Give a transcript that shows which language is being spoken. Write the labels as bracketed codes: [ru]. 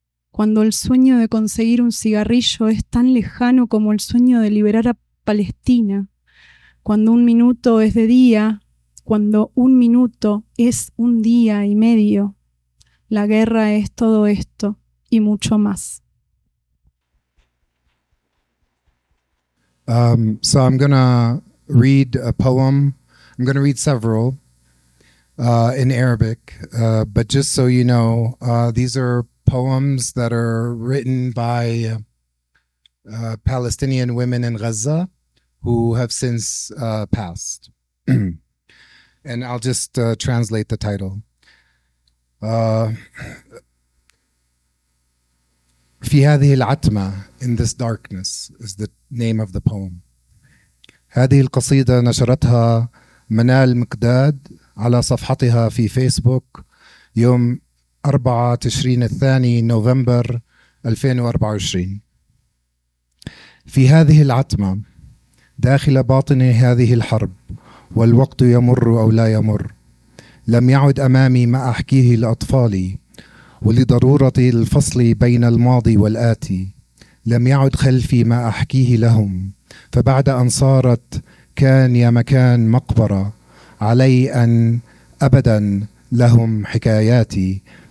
[es] Cuando el sueño de conseguir un cigarrillo es tan lejano como el sueño de liberar a Palestina. Cuando un minuto es de día, cuando un minuto es un día y medio. La guerra es todo esto y mucho más. [en] So I'm going to read a poem. I'm going to read several in Arabic. But just so you know, these are poems that are written by Palestinian women in Gaza who have since passed. And I'll just translate the title. [ar] في هذه العتمة, [en] in this darkness, is the name of the poem. [ar] هذه القصيدة نشرتها منال مقداد على صفحتها في فيسبوك يوم 24 نوفمبر 2024. في هذه العتمة, داخل باطن هذه الحرب, والوقت يمر أو لا يمر, لم يعد أمامي ما أحكيه لأطفالي, ولضرورة الفصل بين الماضي والآتي, لم يعد خلفي ما أحكيه لهم, فبعد أن صارت كان يا مكان مقبرة, علي أن أبدا لهم حكاياتي,